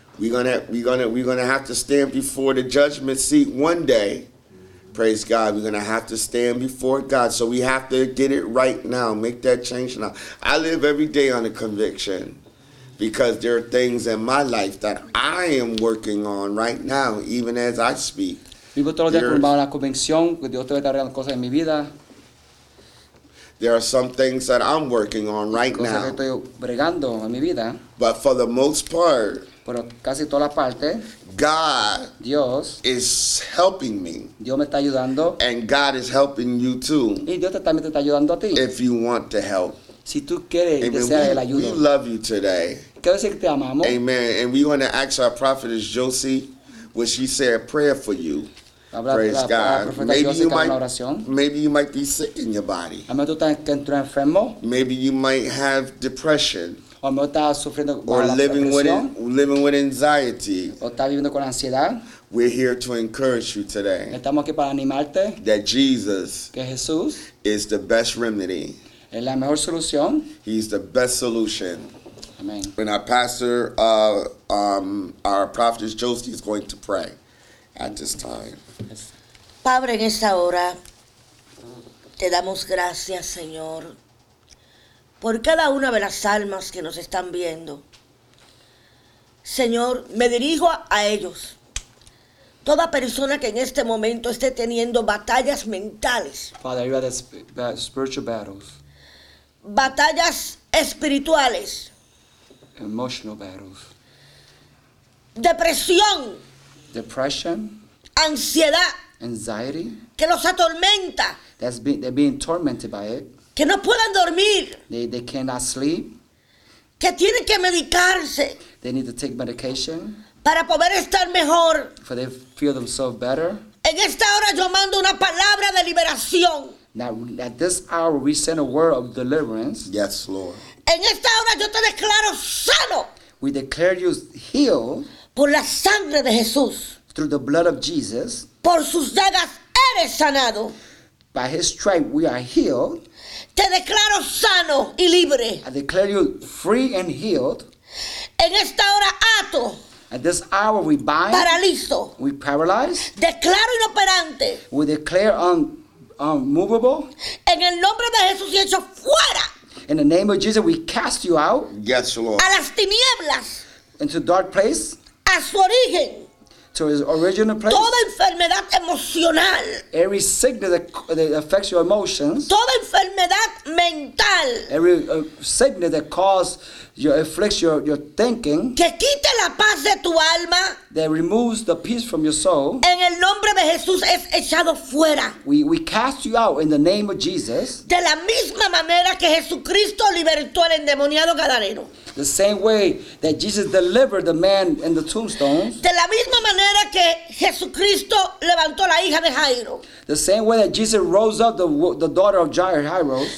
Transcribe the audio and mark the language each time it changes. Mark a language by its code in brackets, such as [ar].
[en] We're gonna have to stand before the judgment seat one day. Praise God. We're gonna have to stand before God. So we have to get it right now. Make that change now. I live every day on a conviction because there are things in my life that I am working on right now, even as I speak. [es] Vivo todo el día con la convicción que Dios está arreglando cosas en mi vida. [en] There are some things that I'm working on right now. [es] Estoy bregando en mi vida. [en] But for the most part, [es] pero casi toda la parte, [en] God [es] Dios [en] is helping me. [es] Dios me está ayudando. [en] And God is helping you too. [es] Y Dios también te está ayudando a ti. [en] If you want to help. [es] Si tú quieres, amen. Desea [en] we, [es] el ayuda. [en] We love you today. [es] Quiero decir que te amamos. [en] Amen. And we want to ask our prophetess Josie, when she said a prayer for you. Praise God. Maybe you might be sick in your body. Maybe you might have depression. Or living with anxiety. [es] O está viviendo con ansiedad. [en] We're here to encourage you today. [es] Estamos aquí para animarte. [en] That Jesus, [es] que Jesús, [en] is the best remedy. [es] Es la mejor solución. [en] He's the best solution. Amen. When our pastor, our prophetess Josie is going to pray at this time. [es] Padre, en esta hora, te damos gracias, Señor, por cada una de las almas que nos están viendo. Señor, me dirijo a ellos. Toda persona que en este momento esté teniendo batallas mentales. [en] Father, you have spiritual battles. [es] Batallas espirituales. [en] Emotional battles. [es] Depresión. [en] Depression. [es] Ansiedad. [en] Anxiety. [es] Que los atormenta. [en] They're being tormented by it. [es] Que no puedan dormir. [en] They cannot sleep. [es] Que tienen que medicarse. [en] They need to take medication. [es] Para poder estar mejor. [en] For they feel themselves better. [es] En esta hora yo mando una palabra de liberación. [en] Now, at this hour, we send a word of deliverance. Yes, Lord. [es] En esta hora yo te declaro sano. [en] We declare you healed. [es] Por la sangre de Jesús. [en] Through the blood of Jesus. [es] Por sus llagas eres sanado. [en] By his stripes we are healed. [es] Te declaro sano y libre. [en] I declare you free and healed. [es] En esta hora ato. [en] At this hour we bind. [es] Paralizo. [en] We paralyze. [es] Declaro inoperante. [en] We declare unmovable. [es] En el nombre de Jesús y echo fuera. [en] In the name of Jesus we cast you out. Yes, Lord. [es] A las tinieblas. [en] Into dark place. [es] A su origen. [en] To his original place. [es] Toda enfermedad emocional. [en] Every sickness that affects your emotions. [es] Toda enfermedad mental. [en] Every sickness that afflicts your thinking. [es] Que quite la paz de tu alma. [en] That removes the peace from your soul. [es] En el nombre de Jesús es echado fuera. [en] We cast you out in the name of Jesus. [es] De la misma manera que Jesucristo libertó al endemoniado gadareno. [en] The same way that Jesus delivered the man in the tombstones. [es] De la misma manera que Jesucristo levantó la hija de Jairo. [en] The same way that Jesus rose up the daughter of Jairo.